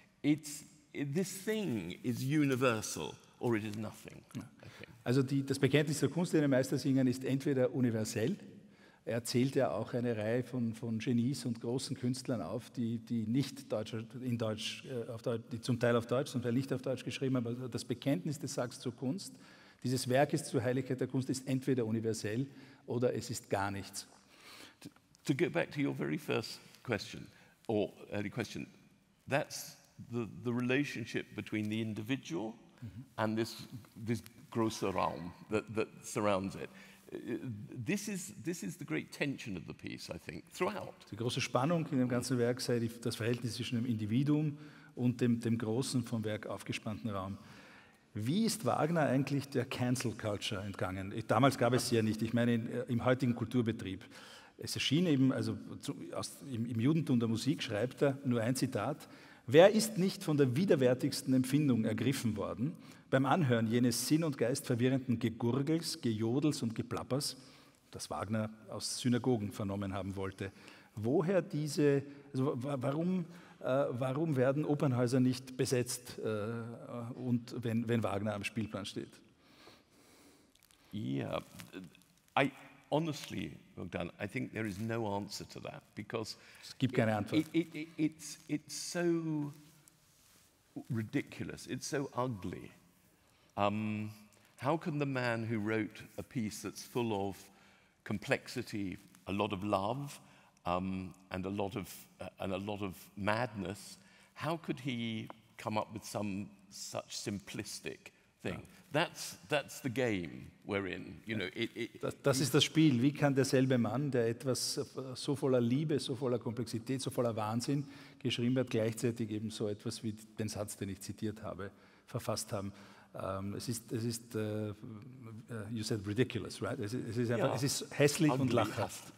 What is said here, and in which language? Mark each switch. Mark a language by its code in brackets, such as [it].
[en] This thing is universal, or it is nothing. [de] Also das Bekenntnis der Kunst in den Meistersingern ist entweder universell. Er zählt ja auch eine Reihe von Genies und großen Künstlern auf, die nicht die zum Teil auf Deutsch, zum Teil nicht auf Deutsch geschrieben haben. Aber das Bekenntnis des Sachs zur Kunst, Dieses Werk ist zur Heiligkeit der Kunst ist entweder universell oder es ist gar nichts. [en] To get back to your very first question, or early question, that's the relationship between the individual and this grosser realm that surrounds it. This is the great tension of the piece, I think, throughout. [de] Die große Spannung in dem ganzen Werk sei das Verhältnis zwischen dem Individuum und dem großen vom Werk aufgespannten Raum. Wie ist Wagner eigentlich der Cancel Culture entgangen? Damals gab es sie ja nicht, ich meine im heutigen Kulturbetrieb. Es erschien eben, also im Judentum der Musik schreibt er, nur ein Zitat, wer ist nicht von der widerwärtigsten Empfindung ergriffen worden, beim Anhören jenes sinn- und geistverwirrenden Gegurgels, Gejodels und Geplappers, das Wagner aus Synagogen vernommen haben wollte. Woher diese, also warum werden Opernhäuser nicht besetzt, und wenn Wagner am Spielplan steht? [en] Ja, I honestly, Bogdan, I think there is no answer to that, because [de] es gibt keine Antwort. [en] It's so ridiculous, it's so ugly. How can the man who wrote a piece that's full of complexity, a lot of love, and a lot of madness, how could he come up with some such simplistic thing? Yeah. That's the game we're in. You know, [de] das ist das Spiel. Wie kann derselbe Mann, der etwas so voller Liebe, so voller Komplexität, so voller Wahnsinn geschrieben hat, gleichzeitig eben so etwas wie den Satz, den ich zitiert habe, verfasst haben? [en] You said ridiculous, right? [de] Es ist hässlich und lachhaft.